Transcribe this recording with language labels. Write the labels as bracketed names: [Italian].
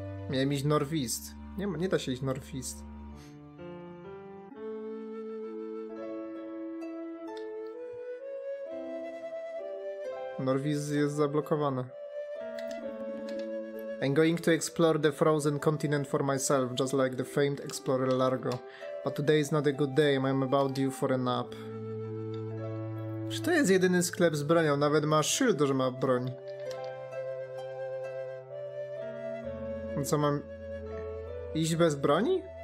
[Polish] Miałem iść northeast. Nie da się iść northeast. Northeast jest zablokowane. [English] I'm going to explore the frozen continent for myself, just like the famed explorer Largo. But today is not a good day, I'm about due for a nap. [Polish] Czy to jest jedyny sklep z bronią? Nawet ma szyld, że ma broń. Co mam... iść bez broni?